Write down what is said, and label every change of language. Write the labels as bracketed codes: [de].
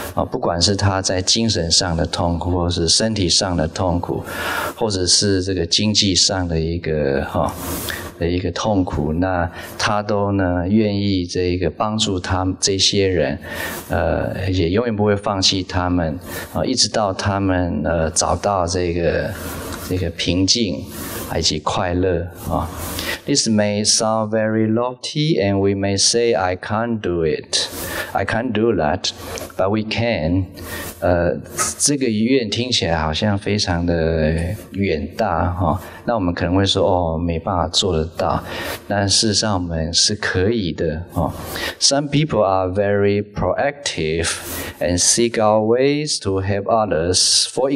[zh] 不管是他在精神上的痛苦，或是身体上的痛苦，或者是这个经济上的一个痛苦，那他都呢愿意这个帮助他这些人，也永远不会放弃他们，一直到他们找到这个平静以及快乐啊。 [en] This may sound very lofty, and we may say, "I can't do it, I can't do that," but we can. [zh] 这个愿听起来好像非常的远大哈。那我们可能会说，没办法做得到。但事实上，我们是可以的哈。 [en] Some people are very proactive and seek out ways to help others.